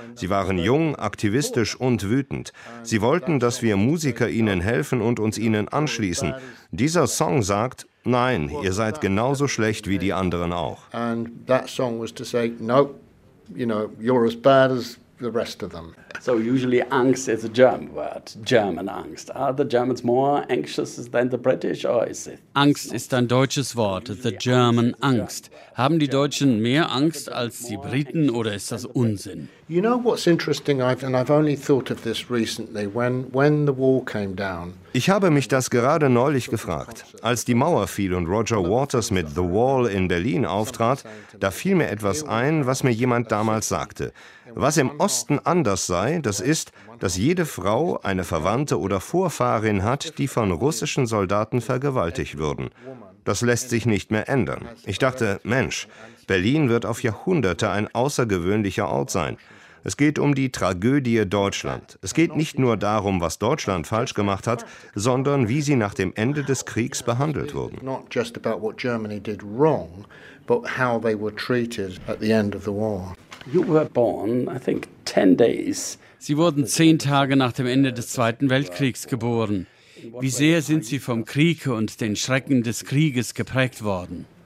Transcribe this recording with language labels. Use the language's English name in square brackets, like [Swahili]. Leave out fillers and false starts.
[German] Sie waren jung, aktivistisch und wütend. Sie wollten, dass wir Musiker ihnen helfen und uns ihnen anschließen. Dieser Song sagt, nein, ihr seid genauso schlecht wie die anderen auch. [English] And that song was to say, no, you know, you're as bad as the rest of them. So usually Angst is a German word, German Angst. Are the Germans more anxious than the British or is it? [German] Angst ist ein deutsches Wort, [English] the German Angst. [German] Haben die Deutschen mehr Angst als die Briten oder ist das Unsinn? [English] You know what's interesting, I've only thought of this recently, when the wall came down. [German] Ich habe mich das gerade neulich gefragt. Als die Mauer fiel und Roger Waters mit The Wall in Berlin auftrat, da fiel mir etwas ein, was mir jemand damals sagte. Was im Osten anders sei, das ist, dass jede Frau eine Verwandte oder Vorfahrin hat, die von russischen Soldaten vergewaltigt wurden. Das lässt sich nicht mehr ändern. Ich dachte, Mensch, Berlin wird auf Jahrhunderte ein außergewöhnlicher Ort sein. Es geht um die Tragödie Deutschland. Es geht nicht nur darum, was Deutschland falsch gemacht hat, sondern wie sie nach dem Ende des Kriegs behandelt wurden. [English] Not just about what Germany did wrong, but how they were treated at the end of the war. You were born, I think, 10 days. [German] Sie wurden 10 Tage nach dem Ende des Zweiten Weltkriegs geboren. Wie sehr sind Sie vom Krieg und den Schrecken des Krieges geprägt worden?